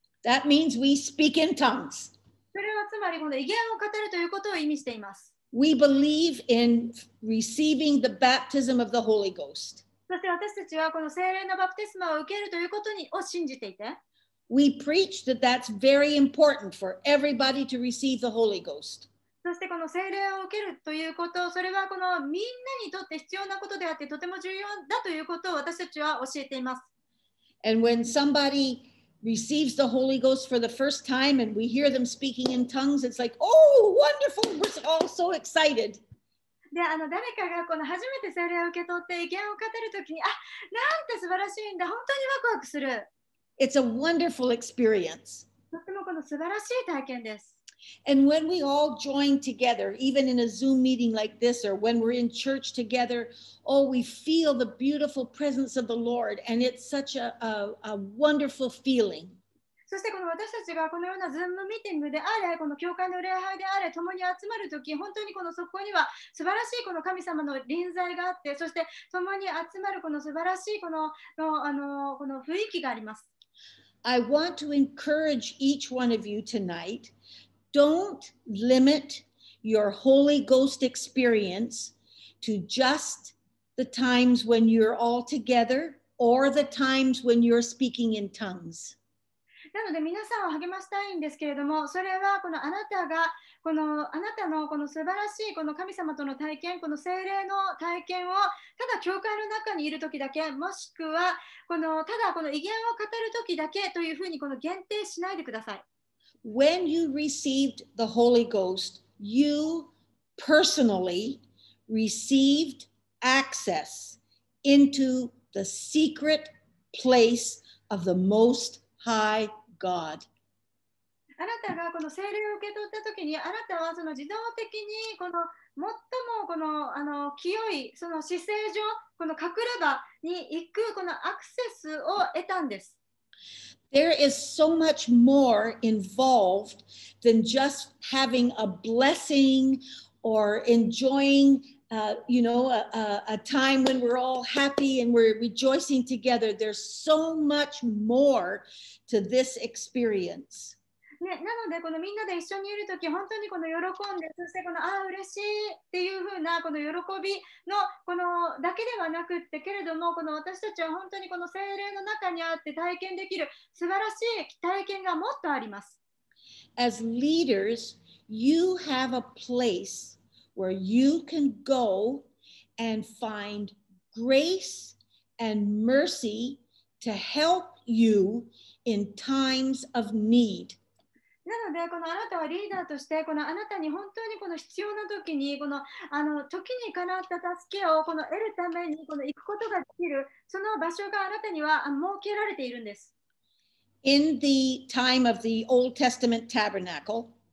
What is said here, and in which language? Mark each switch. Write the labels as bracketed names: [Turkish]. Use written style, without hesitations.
[English] That means we speak in tongues. [Japanese] それはつまりこの異言を語るということを意味しています。 [English] We believe in receiving the baptism of the Holy Ghost. [Japanese] そして私たちはこの聖霊のバプテスマを受けるということにを信じていて。 [English] We preach that that's very important for everybody to receive the Holy Ghost. [Japanese] そしてこの聖霊を受けるということ、それはこのみんなにとって必要なことであってとても重要だということを私たちは教えています。 [English] And when somebody receives the Holy Ghost for the first time and we hear them speaking in tongues, it's like, oh, wonderful! We're all so excited. [Japanese] であの誰かがこの初めて聖霊を受け取って意見を語るときに、あ、なんて素晴らしいんだ、本当にワクワクする。 [English] It's a wonderful experience. [Japanese] とてもこの素晴らしい体験です。 [English] And when we all join together, even in a Zoom meeting like this, or when we're in church together, oh, we feel the beautiful presence of the Lord, and it's such a wonderful feeling. [Japanese] そしてこの私たちがこのようなズームミーティングであれ、この教会の礼拝であれ、共に集まるとき、本当にこのそこには素晴らしいこの神様の臨在があって、そして共に集まるこの素晴らしいこの雰囲気があります。 [English] I want to encourage each one of you tonight, don't limit your Holy Ghost experience to just the times when you're all together or the times when you're speaking in tongues. [Japanese] なので皆さんを励ましたいんですけれども、それはこのあなたがこのあなたのこの素晴らしいこの神様との体験、この聖霊の体験をただ教会の中にいるときだけ、もしくはこのただこの異言を語るときだけというふうにこの限定しないでください。 [English] When you received the Holy Ghost, you personally received access into the secret place of the Most High. God. [Japanese] あなたがこの聖霊を受け取ったときに、あなたはその自動的にこの最もこのあの清いその姿勢上この隠れ場に行くこのアクセスを得たんです。 [English] There is so much more involved than just having a blessing or enjoying, you know, a time when we're all happy and we're rejoicing together. There's so much more. To this experience. [Japanese] ね、なのでこのみんなで一緒にいるとき本当にこの喜んでそしてこのああ嬉しいっていうふうなこの喜びのこのだけではなくってけれどもこの私たちは本当にこの聖霊の中にあって体験できる素晴らしい体験がもっとあります。 [English] As leaders, you have a place where you can go and find grace and mercy to help you. In times of need. [Japanese] なのでこのあなたはリーダーとしてこのあなたに本当にこの必要な時にこのあの時にかなった助けをこの得るためにこの行くことができるその場所があなたには設けられているんです。 [English] In the time of the Old Testament tabernacle,